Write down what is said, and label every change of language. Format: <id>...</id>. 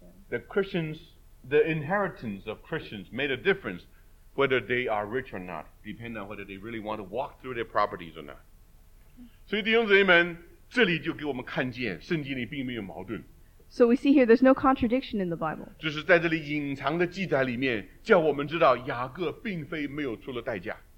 <en>The Christians, the inheritance of Christians made a difference whether they are rich or not, depend on whether they really want to walk through their properties or not.</en> <zh>所以弟兄姊妹们，这里就给我们看见圣经里并没有矛盾。</zh> <en>So we see here there's no contradiction in the Bible.</en> <zh>就是在这里隐藏的记载里面，叫我们知道雅各并非没有出了代价。</zh>